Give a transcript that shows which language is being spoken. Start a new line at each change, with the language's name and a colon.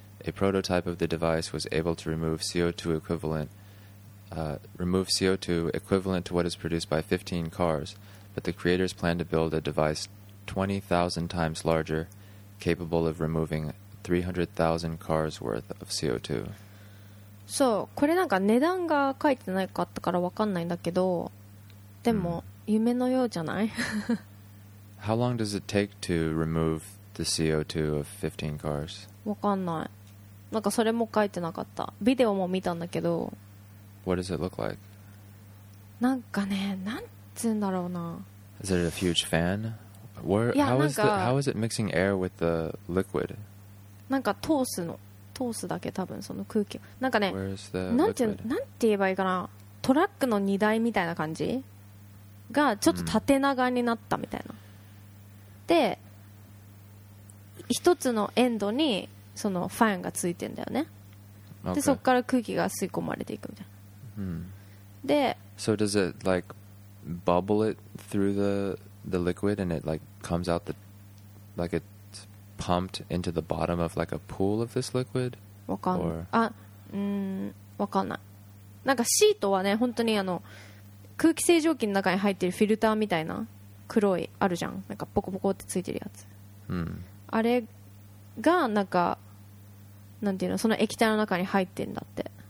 English: A prototype of the device was able to remove CO2 equivalent to what is produced by 15 cars, but the creators plan to build a device 20,000 times larger, capable of removing 300,000 cars worth of CO2.
Japanese: そう、これなんか値段が書いてなかったからわかんないんだけど、でも夢のようじゃない？
English: How long does it take to remove the CO2 of 15 cars?
Japanese: わかんない。なんかそれも書いてなかった。ビデオも見たんだけど。
English: What does it look like?
Japanese: なんかね、なんつうんだろうな。
English: Is it a huge fan? How is it mixing air with the liquid?
Japanese: なんか通すの。通すだけ多分その空気。なんかね、
English: Where is the liquid?
Japanese: なんて言えばいいかな。トラックの荷台みたいな感じがちょっと縦長になったみたいな。で、一つのエンドにそのファンがついてんだよね。
English: Okay.
Japanese: で、そこから空気が吸い込まれていくみたいな。で、
English: So does it like bubble it through the liquid and it like comes out the like it's pumped into the bottom of like a pool of this liquid?
Japanese: わかんない。わかんない。なんかシートはね、本当にあの空気清浄機の中に入ってるフィルターみたいな。黒いあるじゃん、なんかポコポコってついてるやつ、あれがなんかなんていうの、その液体の中に入ってんだって。